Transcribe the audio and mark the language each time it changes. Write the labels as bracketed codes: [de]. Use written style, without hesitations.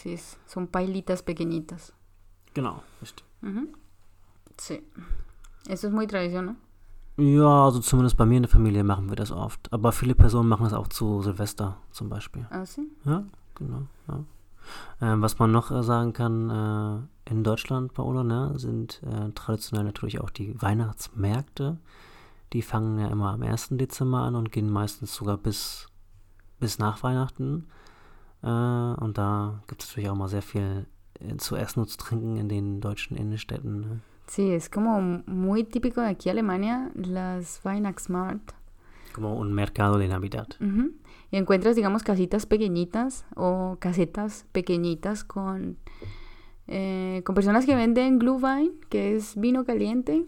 [es] Sí, son pailitas pequeñitas. [de] Genau, richtig. [es] Sí. Eso es muy tradicional, [de] Ja, also zumindest bei mir in der Familie machen wir das oft. Aber viele Personen machen das auch zu Silvester zum Beispiel. [es] ¿no? Ah, sí. [de] Ja, genau. Ja. Was man noch sagen kann, in Deutschland, Paola, ne, sind traditionell natürlich auch die Weihnachtsmärkte. Die fangen ja immer am 1. Dezember an und gehen meistens sogar bis nach Weihnachten. Und da gibt es natürlich auch mal sehr viel zu essen und zu trinken in den deutschen Innenstädten, ne. [es] Sí, es como muy típico de aquí en Alemania, las Weihnachtsmarkt. Como un mercado de Navidad. Y encuentras, digamos, casitas pequeñitas o casetas pequeñitas con personas que venden Glühwein, que es vino caliente.